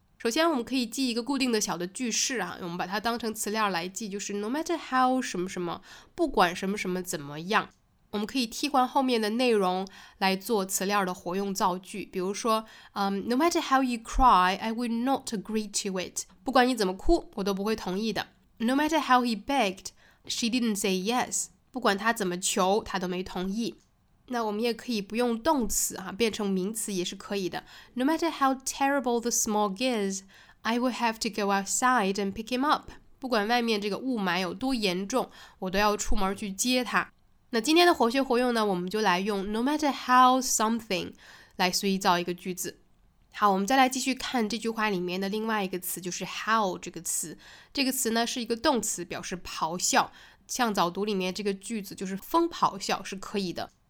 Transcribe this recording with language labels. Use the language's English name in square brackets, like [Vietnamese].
[Chinese] 首先我们可以记一个固定的小的句式我们把它当成词料来记，就是 [English] no matter how [Chinese] 什么什么，不管什么什么怎么样。我们可以替换后面的内容来做词料的活用造句，比如说、 [English] no matter how you cry, I will not agree to it. [Chinese] 不管你怎么哭，我都不会同意的。 [English] No matter how he begged, she didn't say yes. [Chinese] 不管他怎么求，他都没同意。那我们也可以不用动词变成名词也是可以的。 [English] No matter how terrible the smog is, I will have to go outside and pick him up. [Chinese] 不管外面这个雾霾有多严重，我都要出门去接他。那今天的活学活用呢，我们就来用 [English] No matter how something [Chinese] 来随意造一个句子。好，我们再来继续看这句话里面的另外一个词，就是 how 这个词。这个词呢是一个动词，表示咆哮，像早读里面这个句子就是风咆哮是可以的。